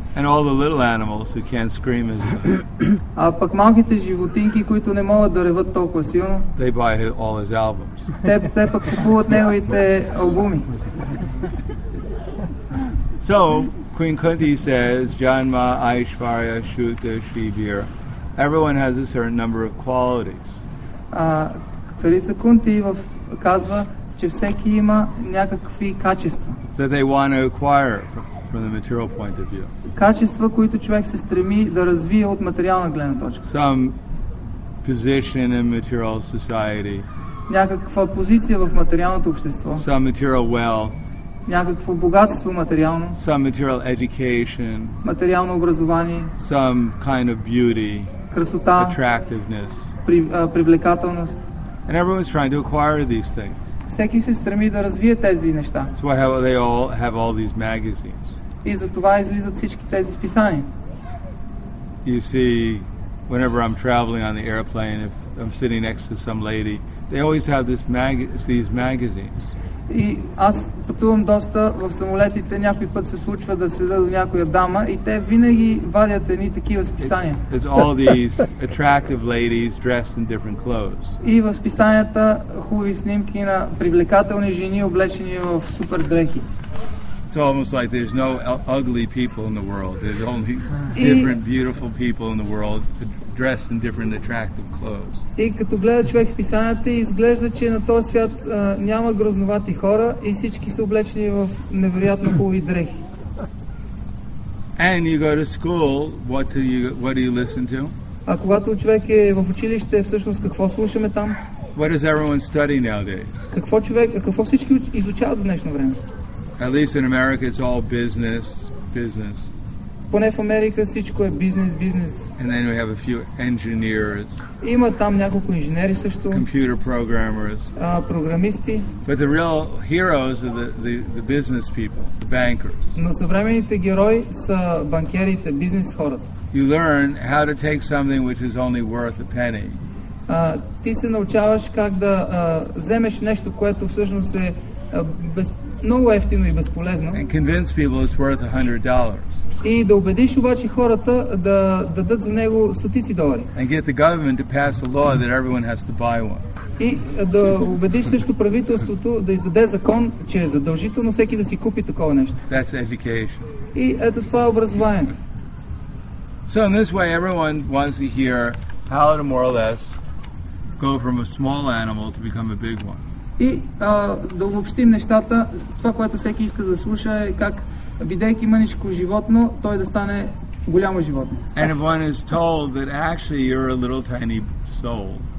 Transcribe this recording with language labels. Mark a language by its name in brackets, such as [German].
[English] And all the little animals who can't scream as well. [Bulgarian] А пък малките животинки, които не могат да реват толкова силно. [English] They buy all his albums. [Bulgarian] Те пък купуват неговите албуми. [English] So, Queen Kunti says, [Sanskrit] Janma, Aishvarya, Shuta, Shivira. [English] Everyone has a certain number of qualities. [Bulgarian] Царица Кунти казва, че всеки има някакви качества. [English] That they want to acquire from the material point of view. [Bulgarian] Качества, които човек се стреми да развие от материална гледна точка. [English] Some position in material society. [Bulgarian] Някаква позиция в материалното общество. [English] Some material wealth. [Bulgarian] Някакво богатство материално. [English] Some material education. [Bulgarian] Материално образование. [English] Some kind of beauty. [Bulgarian] Красота, [English] attractiveness. [Bulgarian] Привлекателност. [English] And everyone's trying to acquire these things. [Bulgarian] Всеки се стреми да развие тези неща. [English] So why have they all have all these magazines? [Bulgarian] И затова излизат всички тези списания. [English] You see, whenever I'm traveling on the airplane, if I'm sitting next to some lady, they always have these magazines. [Bulgarian] И аз пътувам доста в самолетите, някой път се случва да седа до някоя дама и те винаги вадят едни такива списания. [English] It's all these attractive ladies dressed in different clothes. [Bulgarian] И в списанията хубави снимки на привлекателни жени, облечени в супер дрехи. [English] It's almost like there's no ugly people in the world. There's only different beautiful people in the world dressed in different attractive clothes. [Bulgarian] И като гледа човек списанията, изглежда, че на този свят няма грозновати хора и всички са облечени в невероятно хубави дрехи. [English] And you go to school, what do you listen to? [Bulgarian] А когато човек е в училище, всъщност какво слушаме там? [English] What does everyone study nowadays? [Bulgarian] Какво всички изучават в днешно време? [English] At least in America, it's all business. [Bulgarian] Поне в Америка всичко е business. [English] And then we have a few engineers. [Bulgarian] Има там няколко инженери също. [English] Computer programmers. [Bulgarian] Програмисти. [English] But the real heroes are the business people, the bankers. [Bulgarian] Но съвременните герои са банкерите, бизнес хората. [English] You learn how to take something which is only worth a penny. [Bulgarian] Ти се научаваш как да вземеш нещо, което всъщност е много ефтино и безполезно. [English] And convince people it's worth $100. [Bulgarian] И да убедиш обаче хората да дадат за него стотици долари. [English] And get the government to pass a law that everyone has to buy one. [Bulgarian] И да убедиш също правителството да издаде закон, че е задължително всеки да си купи такова нещо. [English] That's education. [Bulgarian] И ето това е образование. [English] So in this way everyone wants to hear how to more or less go from a small animal to become a big one. [Bulgarian] И да обобщим нещата, това, което всеки иска да слуша е как, бидейки мъничко животно, той да стане голямо животно. [English] And everyone is told that actually you're a little tiny soul.